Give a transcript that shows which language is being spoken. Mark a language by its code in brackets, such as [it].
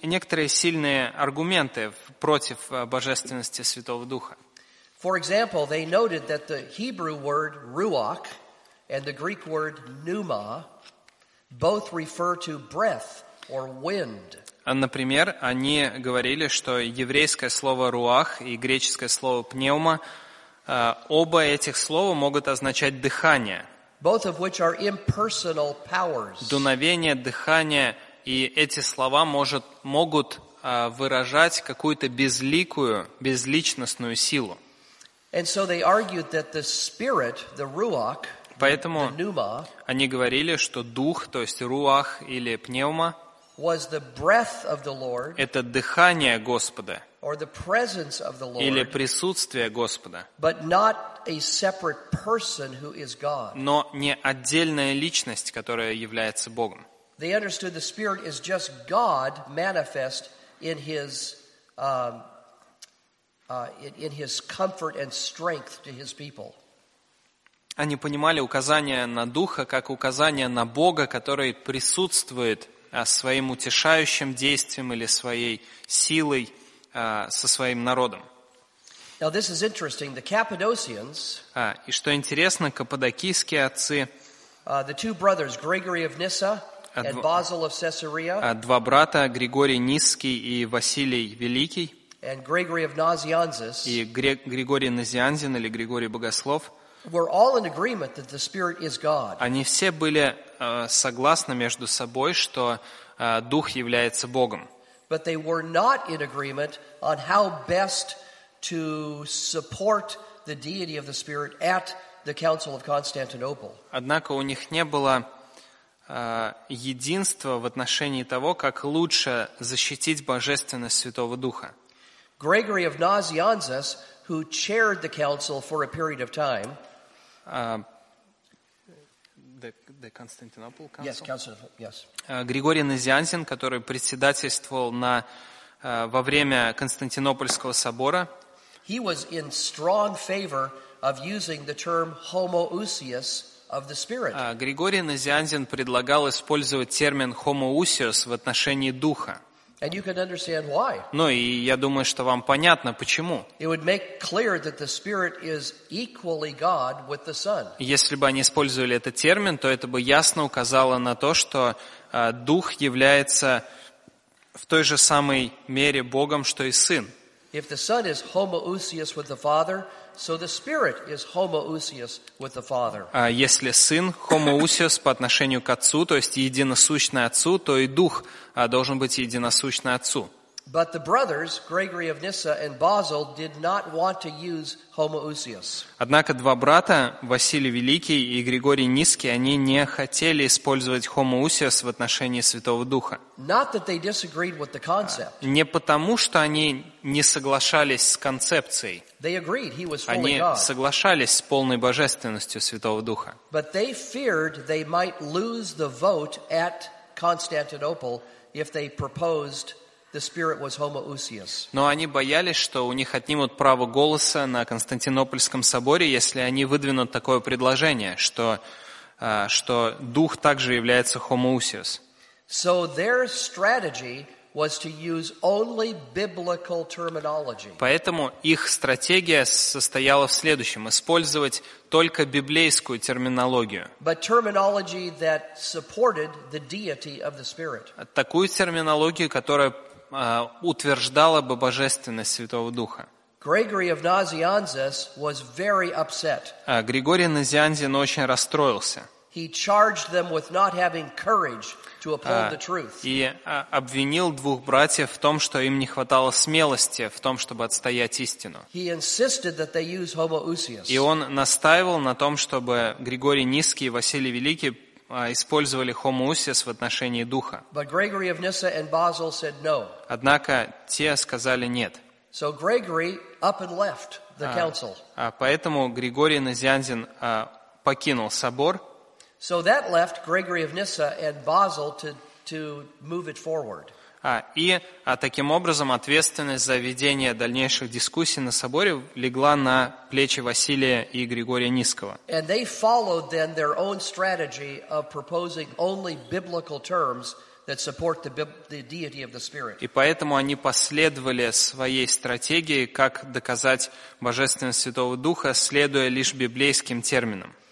[ru] Некоторые сильные аргументы против божественности Святого Духа. [en] For example, they noted that the Hebrew word ruach and the Greek word pneuma both refer to breath or wind. [ru] Например, они говорили, что еврейское слово руах и греческое слово пневма, оба этих слова могут означать дыхание. [en] Both of which are impersonal powers. [ru] Дуновение, дыхание. И эти слова могут выражать какую-то безликую, безличностную силу. [en] And so they argued that the spirit, the ruach, [ru] поэтому [en] the pneuma, [ru] они говорили, что дух, то есть руах или пневма, [en] was the breath of the Lord, [ru] это дыхание Господа [en] or the presence of the Lord, [ru] или присутствие Господа, [en] but not a separate person who is God. [ru] Но не отдельная личность, которая является Богом. [en] They understood the Spirit is just God manifest in His in His comfort and strength to His people. [ru] Они понимали указание на Духа как указание на Бога, который присутствует своим утешающим действием или своей силой со своим народом. [en] Now this is interesting. The Cappadocians. [ru] И что интересно, каппадокийские отцы. [en] The two brothers, Gregory of Nyssa. And Basil of Caesarea. [ru] Два брата, Григорий Ниский и Василий Великий. [en] And Gregory of Nazianzus. [ru] И Григорий Назианзин или Григорий Богослов. [en] Were all in agreement that the Spirit is God. [ru] Они все были согласны между собой, что Дух является Богом. [en] But they were not in agreement on how best to support the deity of the Spirit at the Council of Constantinople. [ru] Однако у них не было единство в отношении того, как лучше защитить божественность Святого Духа. [en] Gregory of Nazianzus, who chaired the council for a period of time, the Constantinople Council. Yes, Constantinople, yes. [ru] Григорий Назианзин, который председательствовал на во время Константинопольского собора. [en] He was in strong favor of using the term homoousios of the Spirit. [ru] Григорий Назианзин предлагал использовать термин homoousios в отношении духа. [en] And you can understand why. [ru] Ну и я думаю, что вам понятно, почему. [en] It would make clear that the Spirit is equally God with the Son. [ru] Если бы они использовали этот термин, то это бы ясно указало на то, что дух является в той же самой мере Богом, что и Сын. [en] If the Son is homoousios with the Father, so the Spirit is homoousios with the Father. [ru] А если Сын homoousios по отношению к Отцу, то есть единосущный Отцу, то и Дух должен быть единосущный Отцу. [en] But the brothers, Gregory of Nyssa and Basil, did not want to use homoousios. [ru] Однако два брата, Василий Великий и Григорий Ниский, они не хотели использовать homoousios в отношении Святого Духа. [en] Not that they disagreed with the concept. [ru] Не потому, что они не соглашались с концепцией. [en] They agreed, he was fully God. [ru] Они соглашались с полной божественностью Святого Духа. [en] But they feared they might lose the vote at Constantinople if they proposed the Spirit was homoousios. [ru] Но они боялись, что у них отнимут право голоса на Константинопольском соборе, если они выдвинут такое предложение, что Дух также является homoousios. [en] So their strategy was to use only biblical terminology. [ru] Поэтому их стратегия состояла в следующем: использовать только библейскую терминологию. [en] But terminology that supported the deity of the Spirit. [ru] Такую терминологию, которая утверждала бы божественность Святого Духа. [en] Gregory of Nazianzus was very upset. [ru] Григорий Назианзин очень расстроился. [en] He charged them with not having courage to uphold the truth. [ru] И обвинил двух братьев в том, что им не хватало смелости в том, чтобы отстоять истину. [en] He insisted that they use homoousios. [ru] И он настаивал на том, чтобы Григорий Ниский и Василий Великий использовали homoousios в отношении Духа. [en] But Gregory of Nyssa and Basil said no. [ru] Однако те сказали нет. [en] So Gregory up and left the council. [ru] Поэтому Григорий Назианзин покинул собор. [en] So that left Gregory of Nyssa and Basil to move it forward. [ru] И таким образом ответственность за ведение дальнейших дискуссий на соборе легла на плечи Василия и Григория Ниского. [en] And they followed then their own strategy of proposing only biblical terms that support the deity of the Spirit. [ru] И поэтому они последовали своей стратегии, как доказать божественность Святого Духа, следуя лишь библейским терминам.